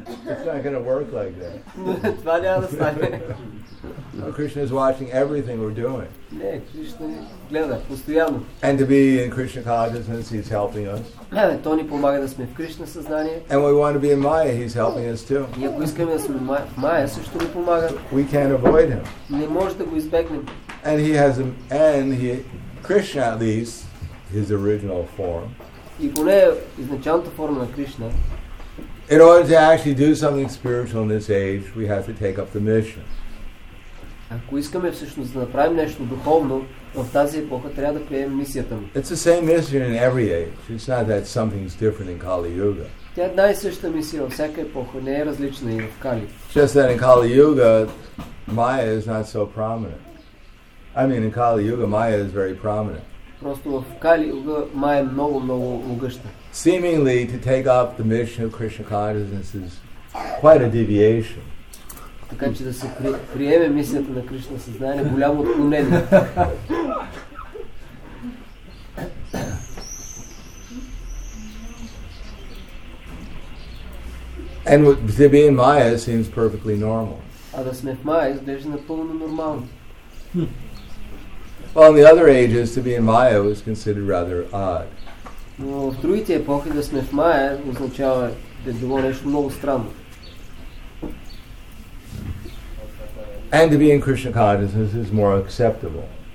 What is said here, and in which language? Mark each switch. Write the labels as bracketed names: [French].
[English] It's not going to work like that. [Bulgarian] Това няма да стане. [English] No, Krishna is watching everything we're doing. [Bulgarian] Не, Кришна гледа постоянно. [English] And to be in Krishna consciousness, he's helping us. [Bulgarian] Не, той ни помага да сме в Кришна съзнание. [English] And we want to be in Maya, he's helping us too. [Bulgarian] И ако искаме да сме в Maya, също ни помага. [English] We can't avoid him. [Bulgarian] Не може да го избегнем. [English] And he has, and he, Krishna at least, his original form. [Bulgarian] И поне изначалната форма на Кришна. [English] In order to actually do something spiritual in this age, we have to take up the mission. [Bulgarian] Ако искаме всъщност да направим нещо духовно в тази епоха, трябва да приемем мисията му. [English] It's the same mission in every age. It's not that something's different in Kali Yuga. [Bulgarian] Тя е една и съща мисия във всяка епоха, не е различна и в Кали. [English] Just that in Kali Yuga, Maya is not so prominent. I mean, in Kali Yuga, Maya is very prominent. [Bulgarian] Просто в Кали Юга Maya е много, много могъща. [English] Seemingly, to take up the mission of Krishna consciousness is quite a deviation. [Bulgarian] Така че да се приеме мисията на Кришна съзнание, голямо отклонение. [English] And to be in Maya seems perfectly normal. [Bulgarian] А да сме в Maya изглежда напълно нормално. [English] Well, in the other ages, to be in Maya was considered rather odd. [Bulgarian] Но в другите епохи да сме в Maya означава да било нещо много странно. [English] And to be in Krishna consciousness is more acceptable.